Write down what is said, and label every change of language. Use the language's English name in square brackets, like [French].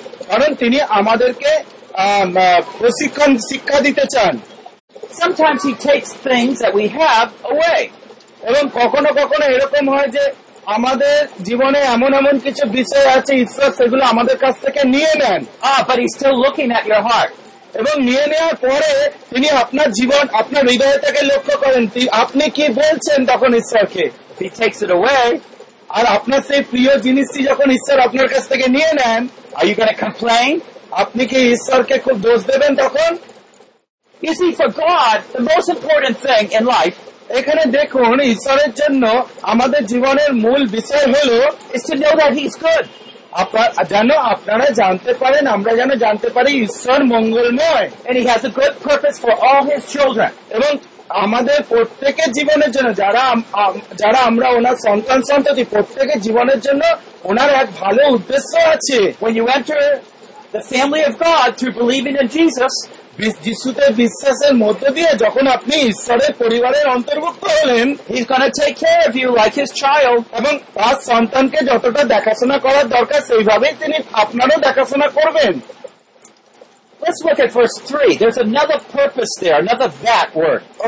[Bangla] কারণ তিনি আমাদেরকে প্রশিক্ষণ শিক্ষা দিতে চান. [English] Sometimes he takes things that we have away. [Bangla] এবং কখনো কখনো এরকম হয় যে আমাদের জীবনে এমন এমন কিছু বিষয় আছে ঈশ্বর সেগুলো আমাদের কাছ থেকে নিয়ে নেন. [English] But he's still looking at your heart. [Bangla] এবং নিয়ে নেওয়ার পরে তিনি আপনার জীবন আপনার হৃদয় থেকে লক্ষ্য করেন আপনি কি বলছেন তখন ঈশ্বরকে. [English] He takes it away. [Bangla] আর আপনার সেই প্রিয় জিনিসটি যখন ঈশ্বর আপনার কাছ থেকে নিয়ে নেন, [English] are you going to complain? [Bangla] আপনি কি ঈশ্বরকে খুব দোষ দেবেন তখন? [English] You see, for God, the most important thing in life, [Bangla] এখানে দেখুন ঈশ্বরের জন্য আমাদের জীবনের মূল বিষয় হলো [English] is to know that he's good. [Bangla] যেন আপনারা জানতে পারেন, আমরা যেন জানতে পারি ঈশ্বর মঙ্গলময়. [English] And he has a good purpose for all his children. [Bangla] এবং আমাদের প্রত্যেকের জীবনের জন্য যারা আমরা ওনার সন্তান সন্ততি প্রত্যেকের জীবনের জন্য ওনার এক ভালো উদ্দেশ্য আছে. [English] When you enter the family of God through believing in Jesus, [Bangla] যিশুতে বিশ্বাসের মধ্যে দিয়ে যখন আপনি ঈশ্বরের পরিবারের অন্তর্ভুক্ত হলেন, [English] he's going to take care of you like his child. [Bangla] এবং তার সন্তানকে যতটা দেখাশোনা করার দরকার সেইভাবেই তিনি আপনারও দেখাশোনা করবেন. [English] Let's look at verse 3. There's another purpose there, another that word.